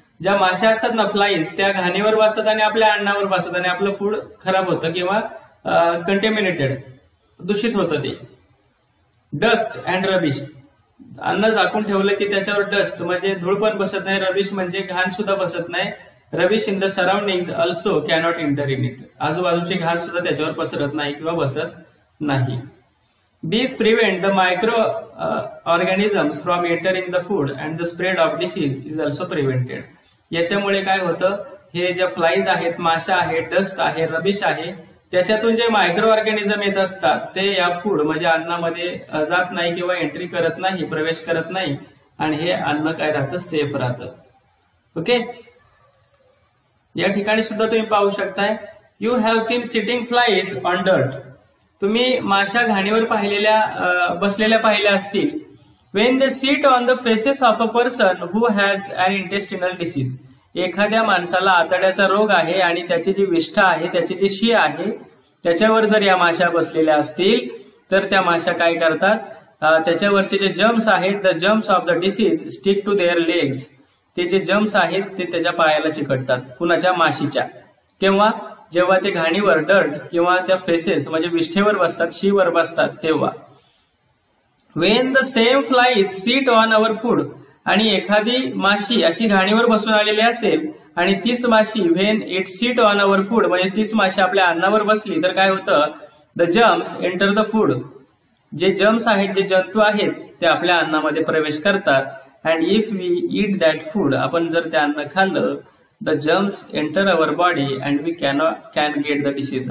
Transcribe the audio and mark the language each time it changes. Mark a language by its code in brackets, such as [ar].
[mr] ज्या माशा असतात ना फ्लाईज त्या घाणीवर बसतात आणि आपल्या अन्नावर बसतात आणि आपलं फूड खराब होतं किंवा कंटेमिनेटेड दूषित होतं. ते [en] Dust and rubbish. [mr] अन्न झाकून ठेवलं की त्याच्यावर डस्ट म्हणजे धूळ पण बसत नाही, रबिश म्हणजे घाण सुद्धा बसत नाही. [en] Rubbish in the surrounding also cannot enter in it. [mr] आजूबाजूची घाण सुद्धा त्याच्यावर पसरत नाही किंवा बसत नाही. [en] This prevent the micro organisms from entering the food and the spread of disease is also prevented. [mr] याच्यामुळे काय होतं, हे ज्या फ्लाईज आहेत, माशा आहेत, डस्ट आहे, रबिश आहे, त्याच्यातून जे मायक्रो ऑर्गॅनिझम येत असतात ते या फूड म्हणजे अन्नामध्ये जात नाही किंवा एंट्री करत नाही, प्रवेश करत नाही आणि हे अन्न काय राहतं, सेफ राहतं. ओके, या ठिकाणी सुद्धा तुम्ही पाहू शकताय. [en] You have seen sitting flies on dirt. [mr] तुम्ही माशा घाणीवर पाहिलेल्या बसलेल्या पाहिल्या असतील. [en] When the sit on the faces of a person who has an intestinal disease. [mr] एखाद्या माणसाला आतड्याचा रोग आहे आणि त्याची जी विष्ठा आहे, त्याची जी शी आहे, त्याच्यावर जर या माशा बसलेल्या असतील तर त्या माशा काय करतात, त्याच्यावरचे जे जम्स आहेत, [en] The germs of the disease stick to their legs. [mr] ते जे जम्स आहेत ते त्याच्या पायाला चिकटतात. कुणाच्या? माशीच्या. तेव्हा जेव्हा ते घाणीवर डर्ट किंवा त्या फेसेस म्हणजे विष्ठेवर बसतात, शीवर बसतात, तेव्हा. [en] When the same flies sit on our food. [mr] आणि एखादी माशी अशी घाणीवर बसून आलेली असेल आणि तीच माशी [en] when it sit on our food [mr] म्हणजे तीच माशी आपल्या अन्नावर बसली तर काय होतं, [en] The germs enter the food. [mr] जे जर्म्स आहेत, जे जंतू आहेत, ते आपल्या अन्नामध्ये प्रवेश करतात. [en] and if we eat that food, [mr] आपण जर ते अन्न खाल्लं, [en] The germs enter our body and we can get the disease.